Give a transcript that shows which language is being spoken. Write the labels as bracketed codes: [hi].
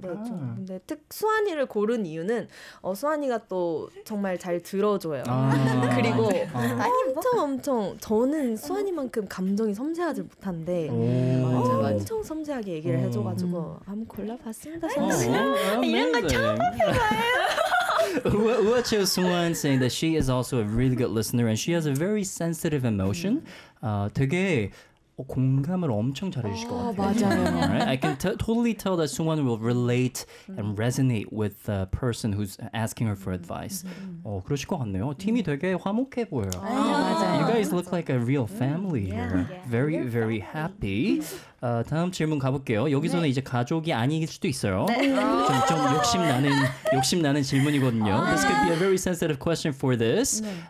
[ko] 근데 수환이를 고른 이유는 수환이가 또 정말 잘 들어줘요. 그리고 엄청 저는 수환이만큼 감정이 섬세하지 못한데 엄청 섬세하게 얘기를 해줘가지고 한번 골라봤습니다. 이런 거 처음 봐요. [en] Uwa chose someone saying that she is also a really good listener and she has a very sensitive emotion. [ko] 되게 공감을 엄청 잘해주실 것 같아요. 맞아요. [en] Right? I can totally tell that someone will relate and resonate with the person who's asking her for advice. [ko] 그러실 것 같네요. 팀이 되게 화목해 보여요. 맞아요. [en] You guys look like a real family here. Very, very happy. [ko] 다음 질문 가볼게요. 여기서는 이제 가족이 아닐 수도 있어요. 네. 좀 욕심나는 질문이거든요. [en] This could be a very sensitive question for this.